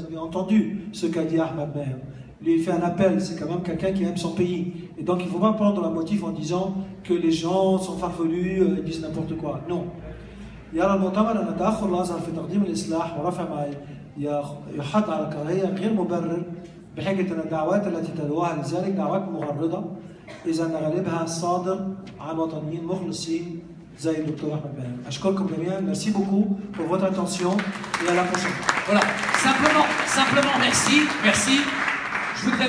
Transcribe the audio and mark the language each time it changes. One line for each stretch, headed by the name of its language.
French: Vous avez entendu ce qu'a dit Ahmed Meher. Lui, il fait un appel, c'est quand même quelqu'un qui aime son pays. Et donc, il ne faut pas prendre le motif en disant que les gens sont farfelus, ils disent n'importe quoi. Non.
Arabic: يرى المؤتمر أن تأخر الأزهر في تقديم الإصلاح ورفع ما يحط على الكراهية غير مبرر بحجة أن الدعوات التي تدعوها لذلك دعوات مغرضة إذا أن غالبها صادر عن وطنيين مخلصين زي الدكتور أحمد باهم. أشكركم جميعا.
French: Merci beaucoup pour votre attention et à la prochaine. Voilà. Simplement, merci. Je voudrais